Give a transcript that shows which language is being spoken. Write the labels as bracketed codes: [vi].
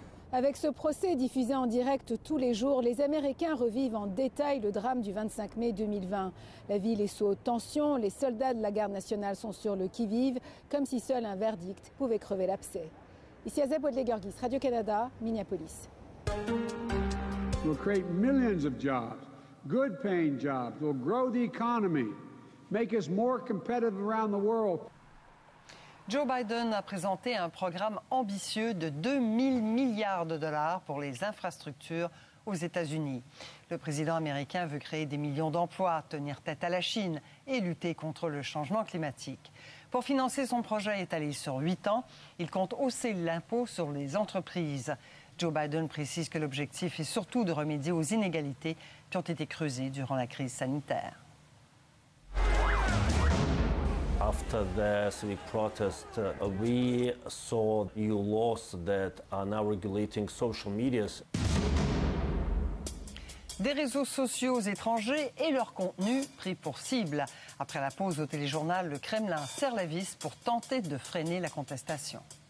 [fr] Avec ce procès diffusé en direct tous les jours, les Américains revivent en détail le drame du 25 mai 2020. La ville est sous haute tension, les soldats de la garde nationale sont sur le qui-vive, comme si seul un verdict pouvait crever l'abcès. Ici Azeb Waldegorgis, Radio-Canada, Minneapolis. [en] We'll create millions of jobs, good paying jobs, we'll grow the economy, make us more competitive around the world. [fr] Joe Biden a présenté un programme ambitieux de 2 000 milliards de dollars pour les infrastructures aux États-Unis. Le président américain veut créer des millions d'emplois, tenir tête à la Chine et lutter contre le changement climatique. Pour financer son projet étalé sur 8 ans, il compte hausser l'impôt sur les entreprises. Joe Biden précise que l'objectif est surtout de remédier aux inégalités qui ont été creusées durant la crise sanitaire. [en] After the civic protest, we saw new laws that are now regulating social media. [fr] Des réseaux sociaux étrangers et leur contenu pris pour cible. Après la pause au téléjournal, le Kremlin serre la vis pour tenter de freiner la contestation.